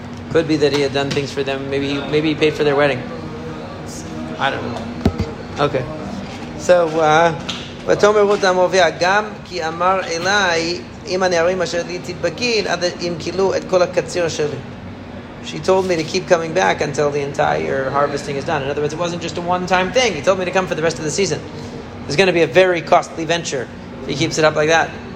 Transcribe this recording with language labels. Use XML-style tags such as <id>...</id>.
<en>Could be that he had done things for them. Maybe he paid for their wedding. I don't know. Okay.</en> <he>So, ותאמר רות המואביה גם כי אמר אלי אם הנערים אשר לי תדבקין עד אם כילו את כל הקציר שלי.</he> <en>She told me to keep coming back until the entire harvesting is done. In other words, it wasn't just a one-time thing. He told me to come for the rest of the season. It's going to be a very costly venture if he keeps it up like that.</en>